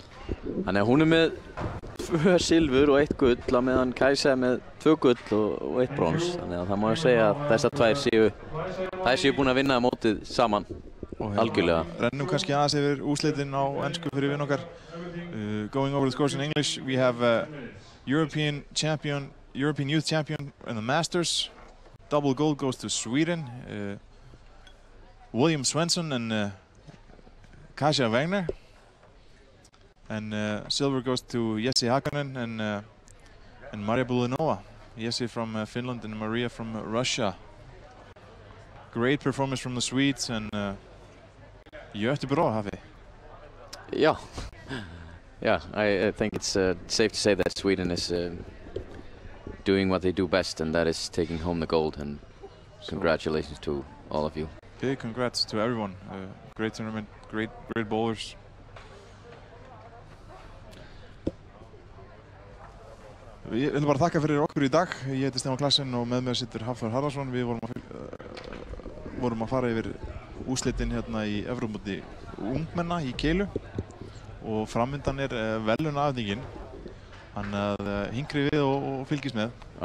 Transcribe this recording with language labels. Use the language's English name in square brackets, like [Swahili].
[Icelandic] Þannig að hún er með 2 silfur og 1 gull, á meðan Kajsa með 2 gull og 1 brons. Þannig að það má ég segja að þessar tvær séu, þær séu búin að vinna mótið saman. Algjörlega. Rennum kannski aðeins yfir úrslitin á ensku fyrir vin okkar. [English] Going over the scores in English, we have a European champion, European youth champion in the Masters. Double gold goes to Sweden. William Svensson and Kasia Wegner. And silver goes to Jesse Hakkonen and Maria Bulanova. Jesse from Finland and Maria from Russia. Great performance from the Swedes and Göteborg, Hafi. Yeah. Yeah, I think it's safe to say that Sweden is doing what they do best, and that is taking home the gold. And congratulations to all of you. Big congrats to everyone. Great tournament, great bowlers. [Icelandic] Ég vil bara þakka fyrir okkur í dag. Ég heiti Stefán Klassen og með mér situr Hafþór Harðarson. Við vorum að fara yfir úrslitin hérna í Evrópumóti ungmenna í Keilu. Og framundan er verðlaunaafhendingin. Þannig að hinkrið við og fylgist með.